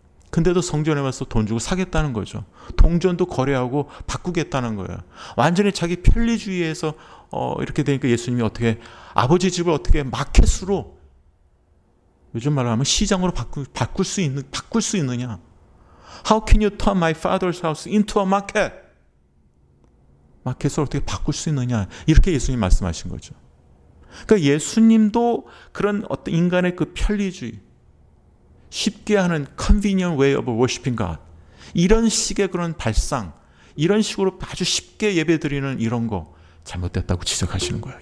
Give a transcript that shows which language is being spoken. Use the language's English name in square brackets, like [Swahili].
[Korean] 근데도 성전에 와서 돈 주고 사겠다는 거죠. 동전도 거래하고 바꾸겠다는 거예요. 완전히 자기 편리주의에서 이렇게 되니까 예수님이 어떻게 아버지 집을 어떻게 마켓으로, 요즘 말로 하면 시장으로 바꿀 수 있느냐? [English] How can you turn my father's house into a market? [Korean] 마켓으로 어떻게 바꿀 수 있느냐? 이렇게 예수님이 말씀하신 거죠. 그러니까 예수님도 그런 어떤 인간의 그 편리주의, 쉽게 하는 [English] convenient way of worshiping God, [Korean] 이런 식의 그런 발상, 이런 식으로 아주 쉽게 예배 드리는 이런 거 잘못됐다고 지적하시는 거예요.